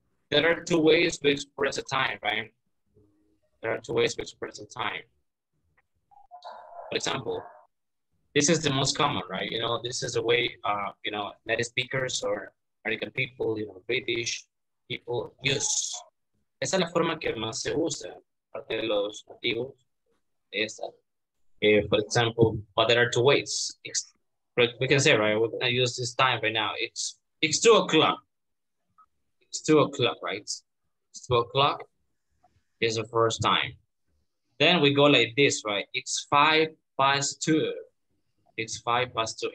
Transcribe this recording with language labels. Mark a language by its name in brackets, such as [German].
[English] There are two ways to express the time, right? There are two ways to express the time. For example, this is the most common, right? You know, this is a way, you know, native speakers or American people, you know, British people use. [Spanish] Esa es la forma que más se usa de los nativos. Esa. [English] For example, but there are two ways. We can say, right, we're gonna use this time right now. It's 2 o'clock. It's 2 o'clock, right? It's 2 o'clock. It's the first time. Then we go like this, right? It's 2:05. It's 2:05.